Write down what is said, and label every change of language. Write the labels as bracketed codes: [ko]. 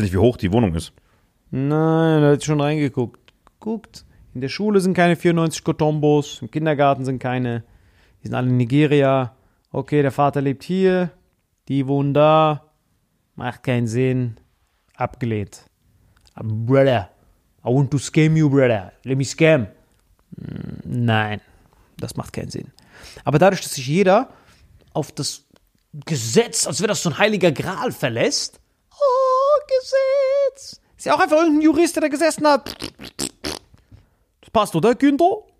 [de] du weißt ja nicht, wie hoch die Wohnung ist. Nein, da hat schon reingeguckt. Guckt, in der Schule sind keine 94 Cortombos, im Kindergarten sind keine, die sind alle in Nigeria. Okay, der Vater lebt hier, die wohnen da, macht keinen Sinn, abgelehnt. [en] Brother, I want to scam you, brother, let me scam. [de] Nein, das macht keinen Sinn. Aber dadurch, dass sich jeder auf das Gesetz, als wäre das so ein heiliger Gral, verlässt, oh, Gesetz. Ist ja auch einfach irgendein Jurist, der gesessen hat. Das passt, oder, Günther?